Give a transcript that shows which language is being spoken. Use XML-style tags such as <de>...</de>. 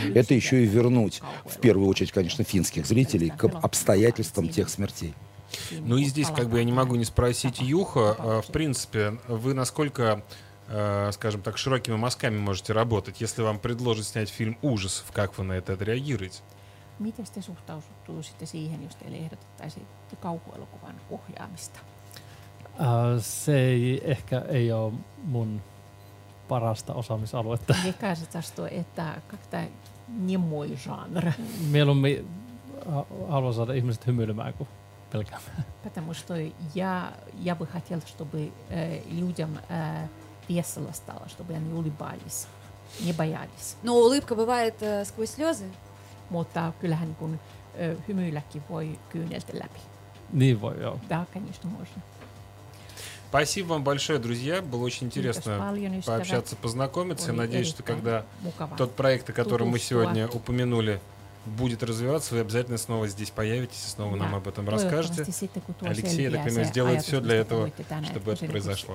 <ru>Это еще и вернуть, в первую очередь, конечно, финских зрителей к обстоятельствам тех смертей. Ну и здесь как бы я не могу не спросить Юха. В принципе, вы насколько, скажем так, широкими мазками можете работать, если вам предложат снять фильм ужасов, как вы на это отреагируете?</ru> <fi>Miten te suhtautuu sitten siihen, jos teille ehdotettaisiin kauhuelokuvan ohjaamista? Se ei, ehkä ei ole mun parasta osaamisaluetta. Mikä se tästä, että kaikki ni muu genre? Mieluummin haluan saada ihmiset hymyilemään kuin pelkäämään.</fi> <ru>Потому что я бы хотел, чтобы людям весело стало, чтобы они улыбались, не боялись. Но улыбка бывает сквозь слезы.</ru> <fi>Mutta kyllähän kun hymyilläkin voi kyyneltä läpi. Niin voi, joo.</fi> <ru>Да, конечно, можно. Спасибо вам большое, друзья. Было очень интересно пообщаться, познакомиться. Я надеюсь, что когда тот проект, о котором мы сегодня упомянули, будет развиваться, вы обязательно снова здесь появитесь, снова нам об этом расскажете. Алексей, я так понимаю, сделает все для этого, чтобы это произошло.</ru>